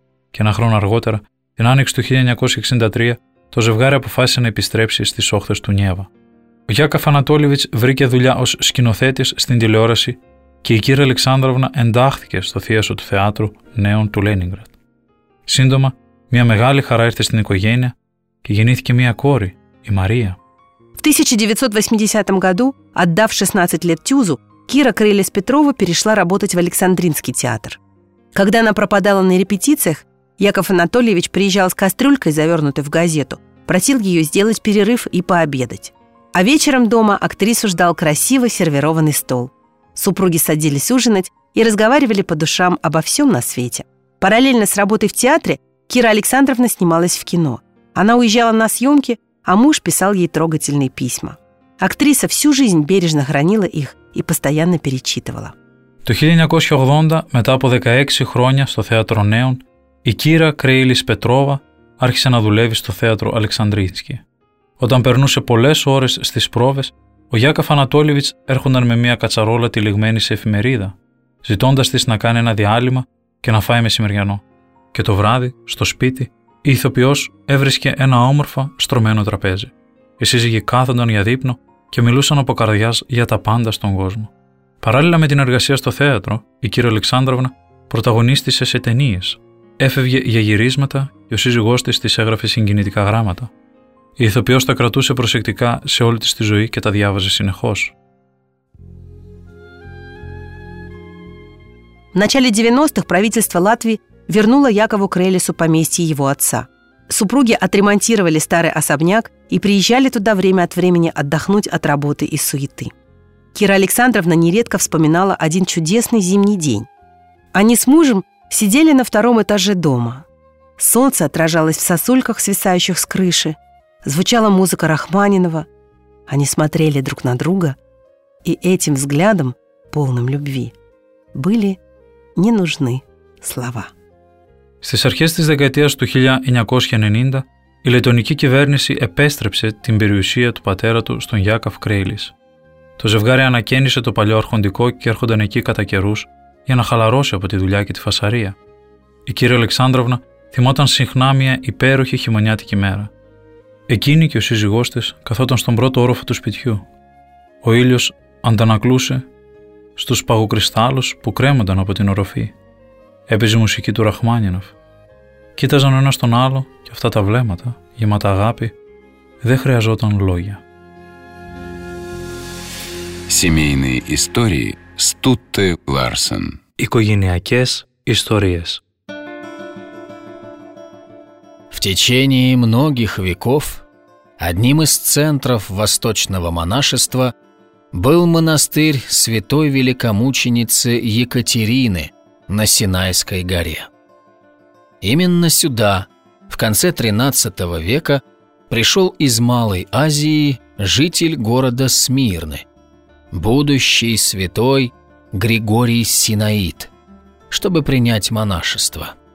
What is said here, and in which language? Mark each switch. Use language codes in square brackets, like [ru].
[el] Και ένα χρόνο αργότερα, την άνοιξη του 1963, το ζευγάρι αποφάσισε να επιστρέψει στις όχθες του Νιέβα. Яков Ανατόλевич βρήκε δουλειά ως σκηνοθέτης στην τηλεόραση και η κύρα Αλεξάνδροβνα εντάχθηκε στο θίασο του θεάτρου νέων του Λένιγκρατ. Σύντομα, μια μεγάλη χαρά ήρθε στην οικογένεια και γεννήθηκε μια κόρη, η Μαρία. [ru] В 1980 году, отдав 16 лет Тюзу, Кира Крылес-Петрова перешла работать в Александринский театр. Когда она пропадала на репетициях, Яков Анатольевич приезжал с кастрюлькой, завернутой в газету, просил ее сделать перерыв и пообедать. А вечером дома актрису ждал красиво сервированный стол. Супруги садились ужинать и разговаривали по душам обо всем на свете. Параллельно с работой в театре Кира Александровна снималась в кино. Она уезжала на съемки, а муж писал ей трогательные письма. Актриса всю жизнь бережно хранила их и постоянно перечитывала. [el] Το 1980, μετά από 16 χρόνια στο Θέατρο Νέων, η Κύρα Κρέιλις Πετρόβα άρχισε να δουλεύει στο Θέατρο Αλεξανδρίνσκι. Όταν περνούσε πολλές ώρες στις πρόβες, ο Γιάκοφ Ανατόλιβιτς έρχονταν με μια κατσαρόλα τυλιγμένη σε εφημερίδα, ζητώντας της να κάνει ένα διάλειμμα και να φάει μεσημεριανό. Και το βράδυ, στο σπίτι, η ηθοποιός έβρισκε ένα όμορφα στρωμένο τραπέζι. Οι σύζυγοι κάθονταν για δείπνο και μιλούσαν από καρδιάς για τα πάντα στον κόσμο. Παράλληλα με την εργασία στο θέατρο, η κύρα Αλεξάνδροβνα πρωταγωνίστησε σε ταινίες. Έφευγε για γυρίσματα και ο σύζυγός της της έγραφε συγκινητικά γράμματα. Η ηθοποιός τα κρατούσε προσεκτικά σε όλη της τη ζωή και τα διάβαζε συνεχώς. [ru] Начале 90-х правительство Латвии вернула Якову Крелесу поместье его отца. Супруги отремонтировали старый особняк и приезжали туда время от времени отдохнуть от работы и суеты. Кира Александровна нередко вспоминала один чудесный зимний день. Они с мужем сидели на втором этаже дома. Солнце отражалось в сосульках, свисающих с крыши. Звучала музыка Рахманинова. Они смотрели друг на друга. И этим взглядом, полным любви, были не нужны слова. [el] Στις αρχές της δεκαετίας του 1990, η λετονική κυβέρνηση επέστρεψε την περιουσία του πατέρα του στον Γιάκοφ Κρέιλις. Το ζευγάρι ανακαίνισε το παλιό αρχοντικό και έρχονταν εκεί κατά καιρούς για να χαλαρώσει από τη δουλειά και τη φασαρία. Η κύρια Αλεξάνδροβνα θυμόταν συχνά μια υπέροχη χειμωνιάτικη μέρα. Εκείνη και ο σύζυγός της καθόταν στον πρώτο όροφο του σπιτιού. Ο ήλιος αντανακλούσε στους παγοκρυστάλλους που κρέμονταν από την οροφή. Έπαιζε μουσική του Ραχμάνινοφ. Κοίταζαν ο ένας τον άλλο και αυτά τα βλέμματα, γεμάτα αγάπη, δεν χρειαζόταν λόγια. [ru] Семейные истории Стутте Ларсен. [el] Οικογενειακές ιστορίες. [ru] В течение многих веков одним из центров восточного монашества был монастырь святой великомученицы Екатерины на Синайской горе. Именно сюда, в конце 13 века, пришел из Малой Азии житель города Смирны, будущий святой Григорий Синаит, чтобы принять монашество.